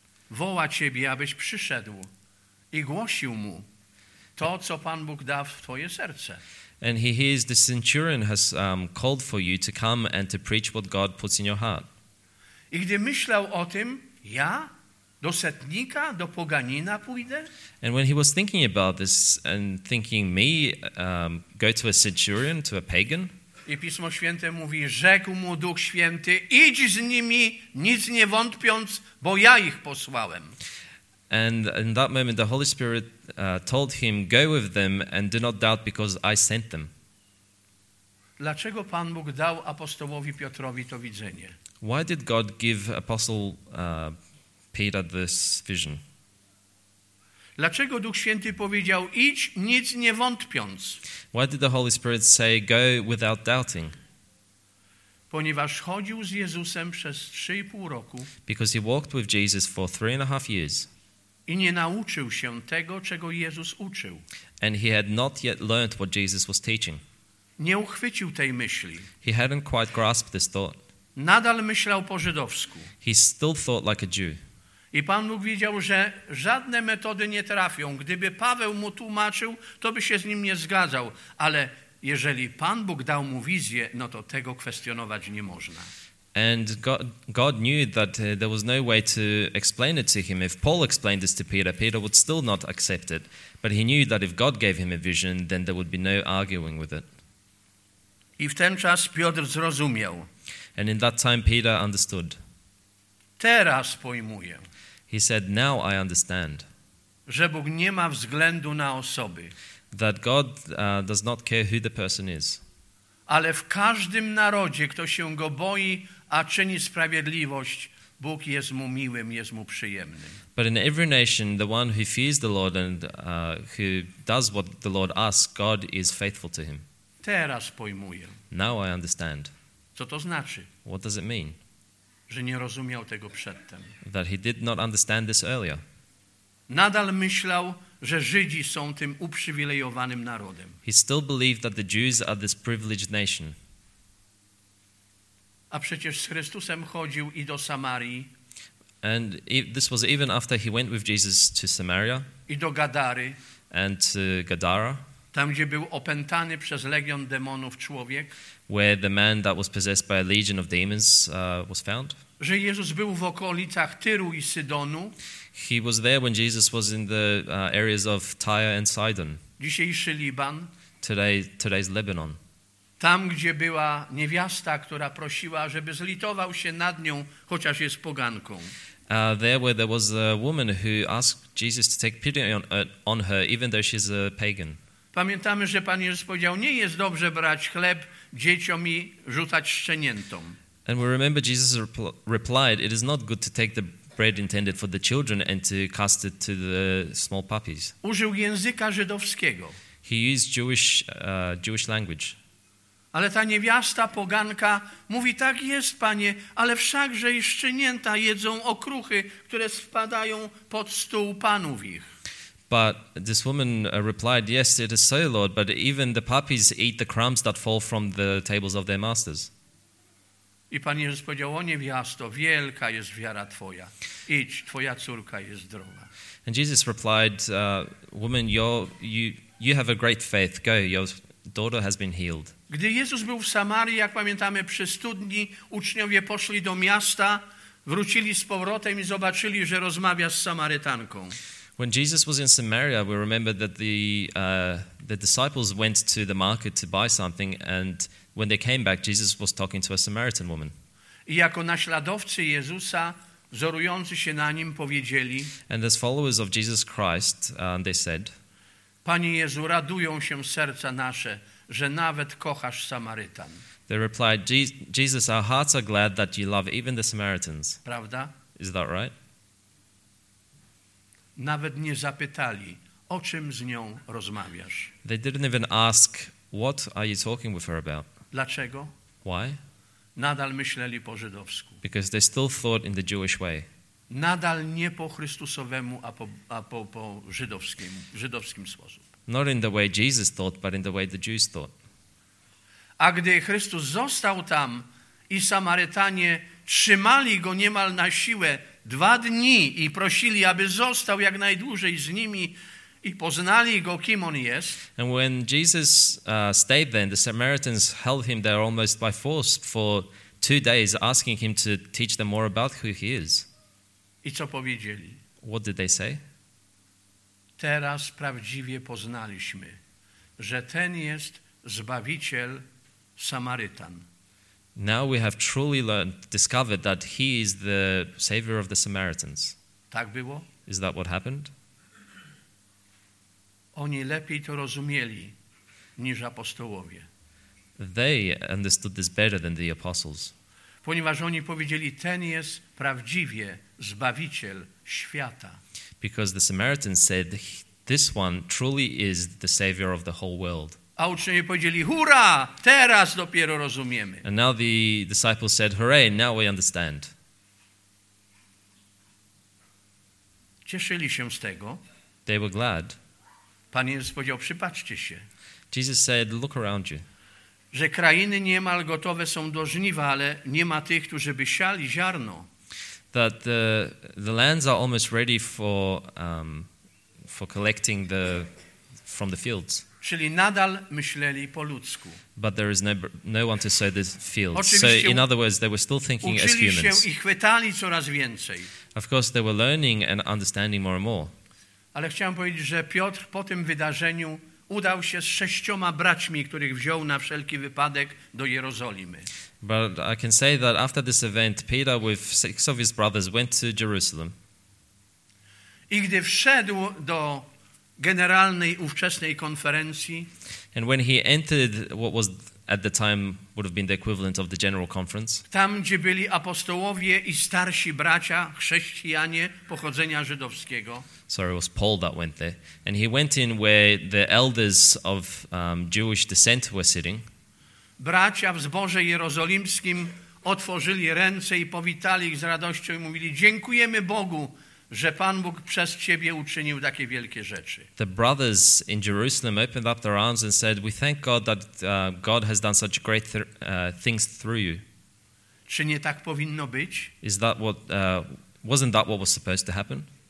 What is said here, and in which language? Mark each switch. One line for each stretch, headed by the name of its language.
Polish: Woła ciebie, abyś przyszedł i głosił mu to, co Pan Bóg da w twoje serce.
English: And he hears the centurion has called for you to come and to preach what God puts in your heart.
Polish: I gdy myślał o tym, ja do setnika, do poganina pójdę?
English: And when he was thinking about this and thinking me, go to a centurion, to a pagan?
Polish: I Pismo Święte mówi, rzekł mu Duch Święty, idź z nimi, nic nie wątpiąc, bo ja ich posłałem.
English: And in that moment the Holy Spirit told him, go with them and do not doubt, because I sent them.
Polish: Dlaczego Pan Bóg dał apostołowi Piotrowi to widzenie?
English: Why did God give Apostle Peter this vision?
Polish: Dlaczego Duch Święty powiedział, idź, nic nie wątpiąc?
English: Why did the Holy Spirit say, go without doubting?
Polish: Ponieważ chodził z Jezusem przez 3,5 roku.
English: Because he walked with Jesus for 3.5 years.
Polish: I nie nauczył się tego, czego Jezus uczył.
English: And he had not yet learned what Jesus was teaching.
Polish: Nie uchwycił tej myśli.
English: He hadn't quite grasped this thought.
Polish: Nadal myślał po żydowsku.
English: He still thought like a Jew.
Polish: I Pan Bóg wiedział, że żadne metody nie trafią. Gdyby Paweł mu tłumaczył, to by się z nim nie zgadzał. Ale jeżeli Pan Bóg dał mu wizję, no to tego kwestionować nie można.
English: And God knew that there was no way to explain it to him. If Paul explained this to Peter, Peter would still not accept it. But he knew that if God gave him a vision, then there would be no arguing with it.
Polish: I w ten czas Piotr zrozumiał.
English: And in that time Peter understood.
Polish: Teraz pojmuję.
English: He said, now I understand.
Polish: Że Bóg nie ma względu na osoby.
English: That God does not care who the person is.
Polish: Ale w każdym narodzie, kto się go boi, a czyni sprawiedliwość, Bóg jest mu miłym, jest mu przyjemnym.
English: But in every nation, the one who fears the Lord and who does what the Lord asks, God is faithful to him.
Polish: Teraz pojmuję.
English: Now I understand.
Polish: Co to znaczy?
English: What does it mean?
Polish: Że nie rozumiał tego przedtem.
English: That he did not understand this earlier.
Polish: Nadal myślał, że Żydzi są tym uprzywilejowanym narodem.
English: He still believed that the Jews are this privileged nation.
Polish: A przecież z Chrystusem chodził i do Samarii.
English: And this was even after he went with Jesus to Samaria.
Polish: I do Gadary.
English: And to Gadara.
Polish: Tam, gdzie był opętany przez legion demonów człowiek.
English: Where the man that was possessed by a legion of demons was found.
Polish: Że Jezus był w okolicach Tyru i Sydonu.
English: He was there when Jesus was in the areas of Tyre and Sidon.
Polish: Dzisiejszy Liban.
English: Today's Lebanon.
Polish: Tam, gdzie była niewiasta, która prosiła, żeby zlitował się nad nią, chociaż jest poganką.
English: There where there was a woman who asked Jesus to take pity on her, even though she's a pagan.
Polish: Pamiętamy, że Pan Jezus powiedział, nie jest dobrze brać chleb dzieciom i rzucać szczeniętom.
English: And we remember Jesus replied, it is not good to take the bread intended for the children and to cast it to the small puppies.
Polish: Użył języka żydowskiego.
English: He used Jewish language.
Polish: Ale ta niewiasta poganka mówi, tak jest, Panie, ale wszakże i szczenięta jedzą okruchy, które spadają pod stół panów ich.
English: But this woman replied, yes, it is so, Lord, but even the puppies eat the crumbs that fall from the tables of their masters.
Polish: I Pan Jezus powiedział, o niewiasto, wielka jest wiara twoja. Idź, twoja córka jest zdrowa.
English: And Jesus replied, woman, you have a great faith. Go, your daughter has been healed.
Polish: Gdy Jezus był w Samarii, jak pamiętamy, przy studni, uczniowie poszli do miasta, wrócili z powrotem i zobaczyli, że rozmawia z Samarytanką.
English: When Jesus was in Samaria, we remember that the disciples went to the market to buy something, and when they came back, Jesus was talking to a Samaritan woman.
Polish: I jako naśladowcy Jezusa, wzorujący się na nim, powiedzieli,
English: and as followers of Jesus Christ, they said,
Polish: Panie Jezu, radują się serca nasze, że nawet kochasz Samarytan.
English: They replied, Jesus, our hearts are glad that you love even the Samaritans.
Polish: Prawda?
English: Is that right?
Polish: Nawet nie zapytali, o czym z nią rozmawiasz.
English: They didn't even ask, what are you talking with her about?
Polish: Dlaczego?
English: Why?
Polish: Nadal myśleli po żydowsku.
English: Because they still thought in the Jewish way.
Polish: Nadal nie po chrystusowemu, a po żydowskim sposób.
English: Not in the way Jesus thought, but in the way the Jews thought.
Polish: A gdy Chrystus został tam i Samarytanie trzymali go niemal na siłę, dwa dni i prosili, aby został jak najdłużej z nimi i poznali go, kim on jest.
English: And when Jesus stayed there, the Samaritans held him there almost by force for 2 days, asking him to teach them more about who he is.
Polish: I co powiedzieli?
English: What did they say?
Polish: Teraz prawdziwie poznaliśmy, że ten jest Zbawiciel Samarytan.
English: Now we have truly learned, discovered that he is the savior of the Samaritans.
Polish: Tak było?
English: Is that what happened?
Polish: Oni lepiej to rozumieli niż apostołowie.
English: They understood this better than the apostles.
Polish: Ponieważ oni powiedzieli, ten jest prawdziwie Zbawiciel świata.
English: Because the Samaritans said, this one truly is the savior of the whole world.
Polish: A uczniowie powiedzieli, hurra, teraz dopiero rozumiemy.
English: And now the disciples said, hooray, now we understand.
Polish: Cieszyli się z tego.
English: They were glad.
Polish: Pan Jezus powiedział, przypatrzcie się.
English: Jesus said, look around you.
Polish: Że krainy niemal gotowe są do żniwa, ale nie ma tych, którzy by siali ziarno.
English: That the lands are almost ready for collecting from the fields.
Polish: Czyli nadal myśleli po ludzku.
English: But there is no one to sow the field. So in other words, they were still thinking as humans.
Polish: Uczyli się i chwytali coraz więcej.
English: Of course, they were learning and understanding more and more.
Polish: Ale chciałem powiedzieć, że Piotr po tym wydarzeniu udał się z sześcioma braćmi, których wziął na wszelki wypadek do Jerozolimy.
English: But I can say that after this event, Peter with six of his brothers went to Jerusalem.
Polish: I gdy wszedł do generalnej ówczesnej konferencji,
English: and when he entered what was at the time would have been the equivalent of the general conference,
Polish: tam gdzie byli apostołowie i starsi bracia chrześcijanie pochodzenia żydowskiego,
English: sorry, it was Paul that went there, and he went in where the elders of Jewish descent were sitting.
Polish: Bracia w zborze jerozolimskim otworzyli ręce i powitali ich z radością i mówili: dziękujemy Bogu, że Pan Bóg przez ciebie uczynił takie wielkie rzeczy.
English: The brothers in Jerusalem opened up their arms and said, we thank God that God has done such great things through you.
Polish: Czy nie tak powinno być?
English: Is that what, wasn't that what was supposed to happen?